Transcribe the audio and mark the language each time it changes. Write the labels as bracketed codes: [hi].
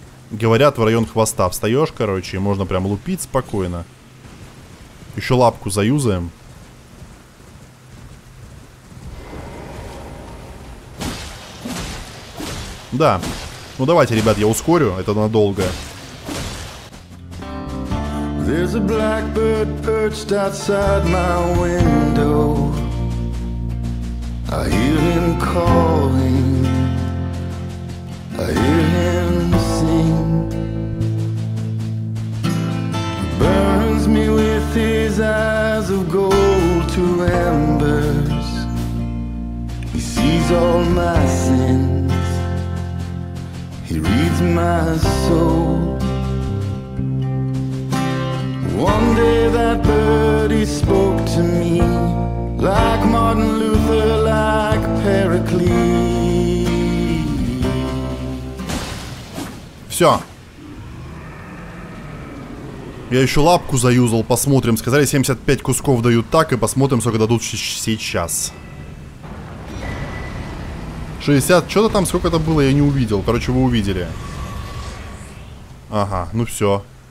[ru] Говорят, в район хвоста встаешь, короче, и можно прям лупить спокойно. Еще лапку заюзаем. Да. Ну давайте, ребят, я ускорю. Это надолго. [en] There's a blackbird perched outside my window. I hear him calling. I hear him sing. Burns me with his eyes of gold to embers. He sees all my sins. He reads my soul. One day that bird he spoke to me like Martin Luther, like Pericles. [ru] Все. Я еще лапку заюзал, посмотрим. Сказали, 75 кусков дают так, и посмотрим, сколько дадут сейчас. 60, что-то там, сколько это было, я не увидел. Короче, вы увидели. Ага, ну все.